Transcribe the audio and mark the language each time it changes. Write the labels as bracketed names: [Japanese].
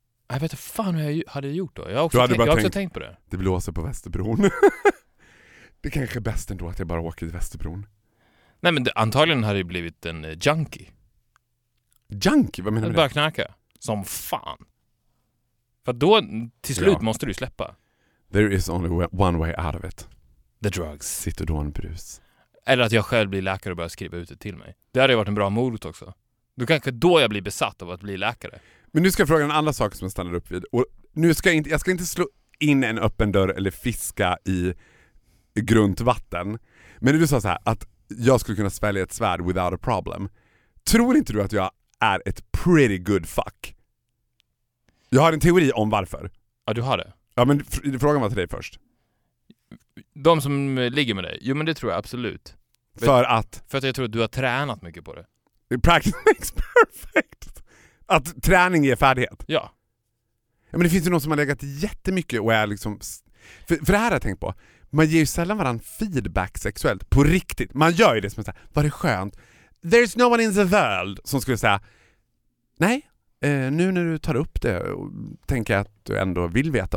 [Swedish] Jag vet inte fan hur jag hade gjort då. Jag har också tänkt på det. Det blåser på Västerbron. Det kanske är bäst ändå att jag bara åker till Västerbron. Nej, men antagligen hade det blivit en junkie. Junkie? Vad menar du? Bara knäcka. Som fan. För då, till slut, ja, måste du släppa. [English] There is only one way out of it. The drugs. Citodonbrus. [Swedish] Eller att jag själv blir läkare och börjar skriva ut det till mig. Det hade ju varit en bra morot också. Då kanske då jag blir besatt av att bli läkare. Men nu ska jag fråga en annan sak som jag stannar upp vid. Och nu ska jag ska inte slå in en öppen dörr eller fiska i grunt vatten. Men du sa så här att jag skulle kunna svälja ett svärd [English] without a problem. [Swedish] Tror inte du att jag är ett [English] pretty good fuck? [Swedish] Jag har en teori om varför. Ja, du har det. Ja, men frågan var till dig först. De som ligger med dig. Jo, men det tror jag absolut. För att jag tror att du har tränat mycket på det. [English] Practice makes perfect. [Swedish] Att träning ger färdighet. Ja. Ja, men det finns ju någon som har legat jättemycket och är liksom... För det här har jag tänkt på. Man ger ju sällan varandra feedback sexuellt. På riktigt. Man gör ju det som att säga, var det skönt? [English] There's no one in the world [Swedish] som skulle säga, nej, nu när du tar upp det och tänker att du ändå vill veta.